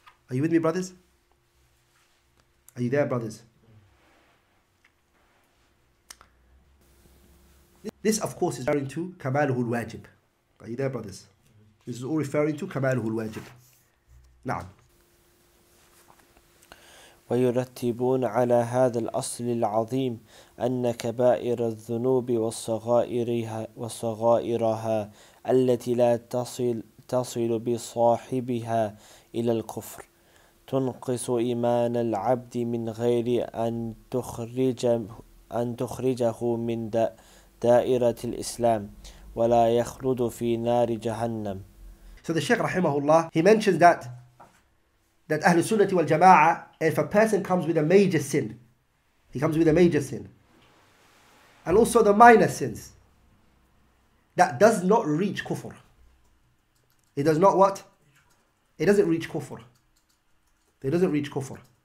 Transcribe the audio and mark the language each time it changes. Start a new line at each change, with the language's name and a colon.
English: Are you with me, brothers? Are you there, brothers? This, of course, is referring to
Arabic: kamaluhu al-wajib.
English: Are you there, brothers? This is all referring to kamaluhu al-wajib. Naam.
Arabic: ويرتبون على هذا الأصل العظيم أن كبائر الذنوب وصغائرها التي لا تصل بصاحبها إلى الكفر تنقص إيمان العبد من غير أن تخرجه من دائرة الإسلام ولا يخلد في نار جهنم.
English: So the Sheikh
Arabic: رحمه الله,
English: he mentions that Ahlul Sunnati wal Jama'ah, if a person comes with a major sin, he comes with a major sin, and also the minor sins, that does not reach kufr. It does not what? It doesn't reach kufr. It doesn't reach kufr.